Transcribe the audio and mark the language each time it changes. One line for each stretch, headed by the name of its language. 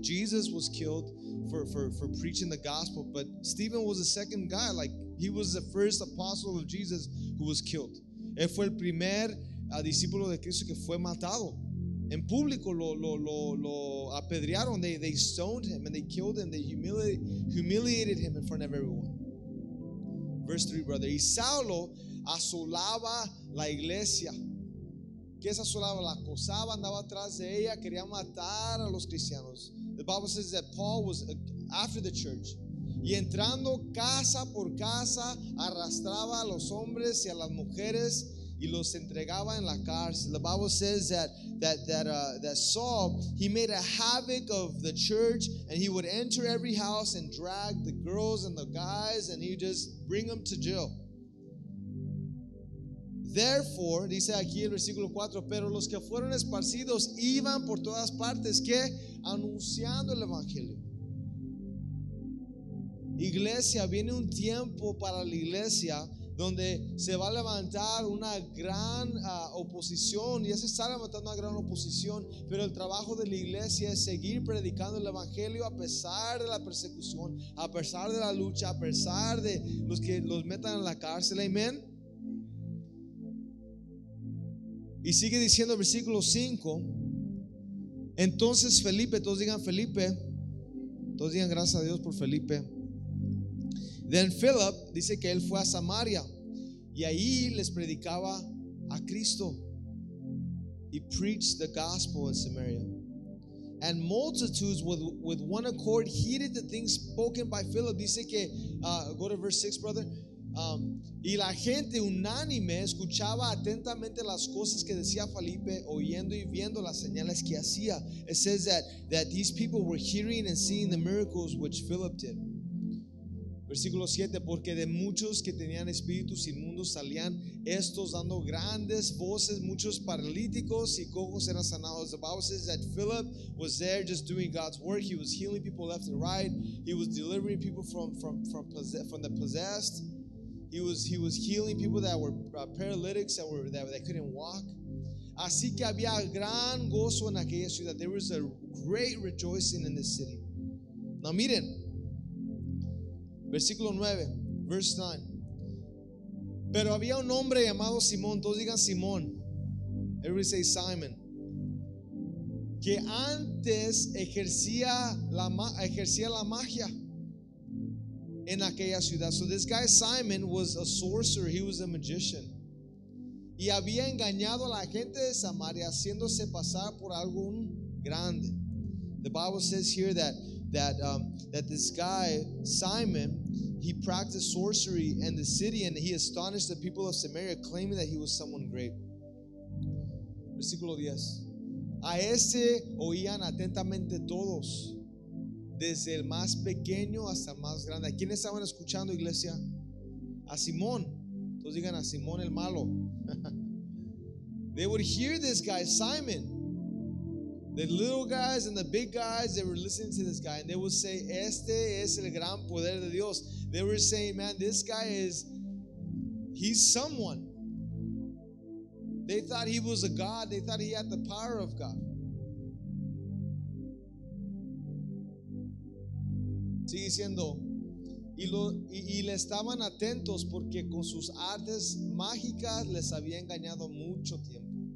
English: Jesus was killed for preaching the gospel, but Stephen was the second guy. Like, he was the first apostle of Jesus who was killed.
Spanish: Él fue el primer discípulo de Cristo que fue matado. En público lo apedrearon.
English: They stoned him and they killed him. They humiliated him in front of everyone. Verse 3, brother.
Spanish: Y Saulo asolaba la iglesia. ¿Qué es asolaba? La acosaba, andaba atrás de ella, quería matar a los cristianos.
English: The Bible says that Paul was after the church.
Spanish: Y entrando casa por casa, arrastraba a los hombres y a las mujeres y los entregaba en la cárcel.
English: The Bible says that Saul, he made a havoc of the church, and he would enter every house and drag the girls and the guys, and he would just bring them to jail. Therefore,
Spanish: dice aquí el versículo 4, pero los que fueron esparcidos iban por todas partes, ¿qué? Anunciando el evangelio. Iglesia, viene un tiempo para la iglesia donde se va a levantar una gran oposición. Ya se está levantando una gran oposición, pero el trabajo de la iglesia es seguir predicando el evangelio a pesar de la persecución, a pesar de la lucha, a pesar de los que los metan en la cárcel. Amén. Y sigue diciendo el versículo 5. Entonces Felipe, todos digan Felipe, todos digan gracias a Dios por Felipe.
English: Then Philip,
Spanish: dice que él fue a Samaria y ahí les predicaba a Cristo.
English: He preached the gospel in Samaria. And multitudes with one accord heeded the things spoken by Philip.
Spanish: Dice que,
English: go to verse 6, brother.
Spanish: Y la gente unánime escuchaba atentamente las cosas que decía Felipe, oyendo y viendo las señales que hacía.
English: It says that these people were hearing and seeing the miracles which Philip did.
Spanish: Versículo 7, porque de muchos que tenían espíritus inmundos salían estos dando grandes voces, muchos paralíticos y cojos eran sanados.
English: The Bible says that Philip was there just doing God's work. He was healing people left and right. He was delivering people from the possessed. He was healing people that were paralytics, that couldn't walk.
Spanish: Así que había gran gozo en aquella ciudad.
English: There was a great rejoicing in this city.
Spanish: Now miren, versículo 9,
English: verse 9.
Spanish: Pero había un hombre llamado Simón, todos digan Simón.
English: Everybody say Simon.
Spanish: Que antes ejercía la magia en aquella ciudad.
English: So this guy Simon was a sorcerer, he was a magician.
Spanish: Y había engañado a la gente de Samaria haciéndose pasar por algo grande.
English: The Bible says here that that that this guy Simon, he practiced sorcery in the city, and he astonished the people of Samaria, claiming that he was someone great.
Spanish: Versículo 10. A este oían atentamente todos, desde el más pequeño hasta el más grande. ¿A quién estaban escuchando, iglesia? A Simón. Entonces digan a Simón el malo.
English: They would hear this guy, Simon. The little guys and the big guys, they were listening to this guy. And they would say,
Spanish: este es el gran poder de Dios.
English: They were saying, man, this guy is, he's someone. They thought he was a God. They thought he had the power of God.
Spanish: Sigue diciendo, y le estaban atentos porque con sus artes mágicas les había engañado mucho tiempo.